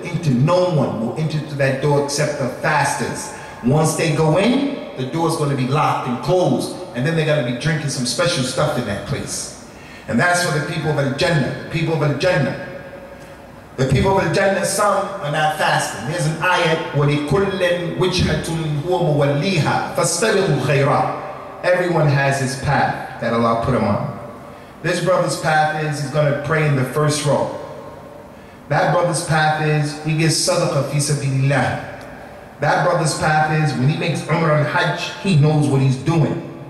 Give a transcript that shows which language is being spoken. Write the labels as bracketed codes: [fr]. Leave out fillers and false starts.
[en] No one will enter to that door except the fasters. Once they go in, the door is going to be locked and closed. And then they're going to be drinking some special stuff in that place. And that's for the people of Al-Jannah. The people of Al-Jannah, some are not fasting. There's an ayat, [ar] وَلِكُلٍ وِجْهَةٌ هُوَ مُوَلِّيهَا فَاسْتَبِقُوا خَيْرًا. [en] Everyone has his path that Allah put him on. This brother's path is, he's going to pray in the first row. That brother's path is, he gives sadaqah fi sabilillah. That brother's path is, when he makes Umrah al-Hajj, he knows what he's doing.